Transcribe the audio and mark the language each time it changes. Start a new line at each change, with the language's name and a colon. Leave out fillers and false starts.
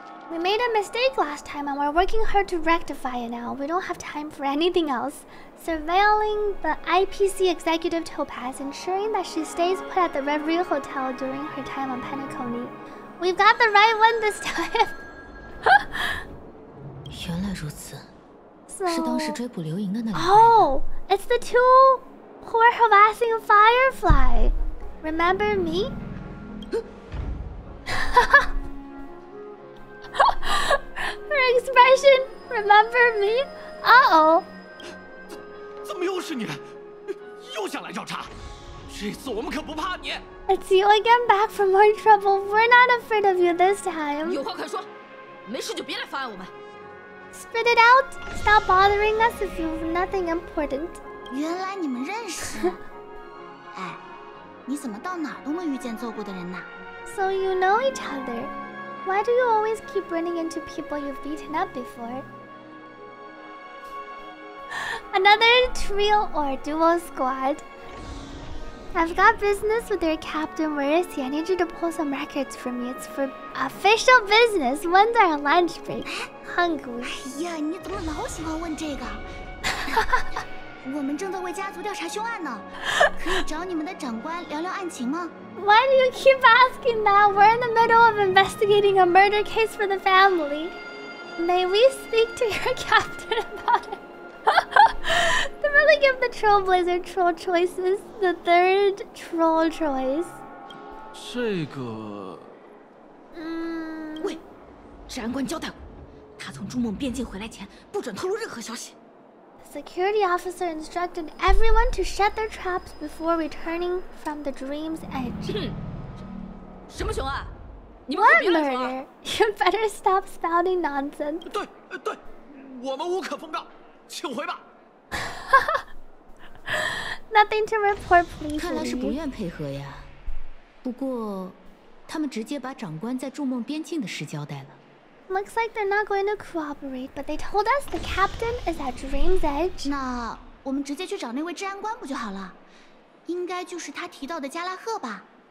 English: We made a mistake last time and we're working hard to rectify it now. We don't have time for anything else. Surveilling the IPC executive Topaz, ensuring that she stays put at the Red Reel Hotel during her time on Pinacone. We've got the right one this time.
Chinese: 原来如此，是当时追捕刘莹的那两个。
English: Oh, it's the two who are harassing Firefly. Remember me? Her expression, remember me? Uh-oh.
Chinese: 怎么又是你？又想来找茬？这次我们可不怕你。
English: It's you again back for more trouble. We're not afraid of you this time.
Chinese: 有话快说，没事就别来烦我们。
English: Spit it out. Stop bothering us if you've nothing important.
Chinese: 原来你们认识。哎，你怎么到哪儿都没遇见揍过的人呢？
English: So you know each other. Why do you always keep running into people you've beaten up before? Another trio or duo squad. I've got business with your captain. Where is he? I need you to pull some records for me. It's for official business. When's our lunch break? Hungry.
Chinese: 哎呀，你怎么老喜欢问这个？我们正在为家族调查凶案呢，可以找你们的长官聊聊案情吗？
English: Why do you keep asking that? We're in the middle of investigating a murder case for the family. May we speak to your captain about it? They really give the Trailblazer troll choices the third troll choice.
Chinese: 这个…… 喂，治安官交代我，他从筑梦边境回来前不准透露任何消息。
English: Security officer instructed everyone to shut their traps before returning from the dream's edge.
Chinese: 什么熊啊？你们可别来了。
English: What murder? You better stop spouting nonsense.
Chinese: 对，我们无可奉告，请回吧。
English: Nothing to report, please.
Chinese: 看来是不愿配合呀。不过，他们直接把长官在筑梦边境的事交代了。
English: Looks like they're not going to cooperate, but they told us the captain is at Dream's Edge.
Chinese: 那我们直接去找那位治安官不就好了？应该就是他提到的加拉赫吧。